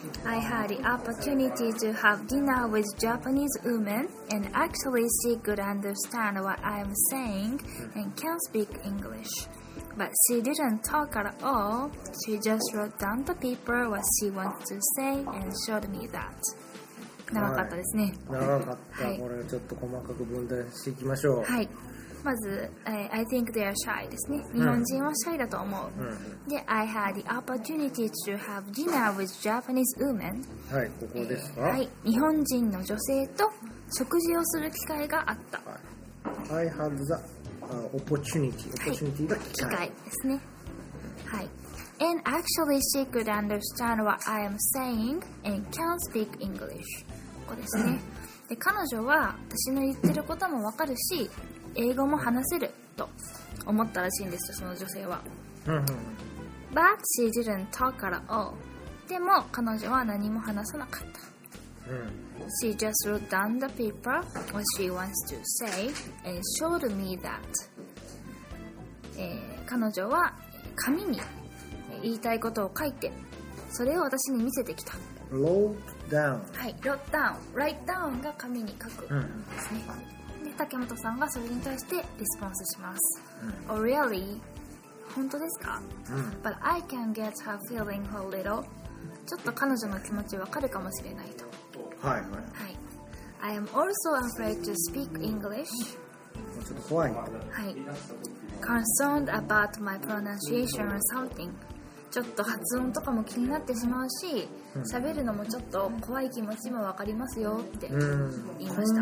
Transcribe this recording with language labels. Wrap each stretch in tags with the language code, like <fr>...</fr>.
<en>I had the opportunity to have dinner with Japanese women and actually she could understand what I am saying and can speak English. But she didn't talk at all. She just wrote down the paper what she wants to say and showed me that.</en> <ja>長かったですね。はい、長かった、はい。これちょっと細かく分担していきましょう。はい。まず、</ja> <en>I think they are shy</en> <ja>ですね。日本人はシャイだと思う。うん、</ja> <en>で、I had the opportunity to have dinner with Japanese women。</en> <ja>はい、ここですか、はい。日本人の女性と食事をする機会があった。</ja> <en>はい、I had the opportunity、opportunity が機会、</en> <ja>はい。機会ですね。はい。</ja> <en>And actually she could understand what I am saying and can speak English。</en> <ja>ここですね。で、彼女は私の言ってることもわかるし、英語も話せると思ったらしいんですよ、その女性は。</ja> <en>But she didn't talk at all.</en> <ja>でも彼女は何も話さなかった。</ja> <en>She just wrote down the paper what she wants to say and showed me that.</en> <ja>彼女は紙に言いたいことを書いて、それを私に見せてきた。</ja> <en>Wrote down.</en> <ja>はい、</ja> <en>wrote down. Write down</en> <ja>が紙に書くですね。竹本さんがそれに対してリスポンスします。</ja> <en>Oh, really?</en> <ja>本当ですか、うん、</ja> <en>But I can get her feeling for a little.</en> <ja>ちょっと彼女の気持ちわかるかもしれないと。はいはい。</ja> <en>はい、I am also afraid to speak English.</en> <ja>ちょっと怖いな。</ja> <en>はい。Concerned about my pronunciation or something.</en> <ja>ちょっと発音とかも気になってしまうし、喋るのもちょっと怖い気持ちも分かりますよって言いました。</ja>